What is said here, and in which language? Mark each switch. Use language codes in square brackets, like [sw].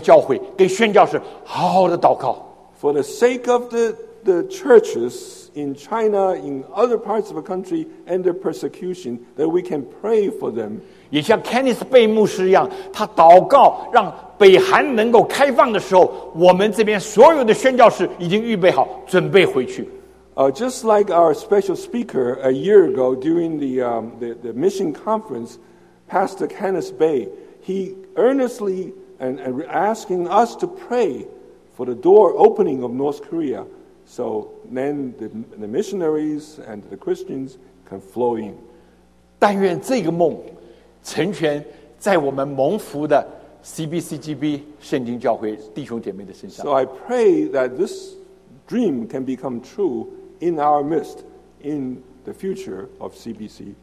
[zh] 为做在国内、在东南亚那边的教会跟宣教士好好的祷告。 [en] For the sake of the churches in China, in other parts of the country, and their persecution, that we can pray for them. [zh] 也像 Kenneth Bay 牧师一样，他祷告让北韩能够开放的时候，我们这边所有的宣教士已经预备好，准备回去。 [en] Just like our special speaker a year ago during the mission conference, Pastor Kenneth Bay, he earnestly and asking us to pray for the door opening of North Korea, so then the missionaries and the Christians can flow in. [zh] 但愿这个梦成全在我们蒙福的CBCGB圣经教会弟兄姐妹的身上。 [en] So I pray that this dream can become true in our midst, in the future of CBCGB.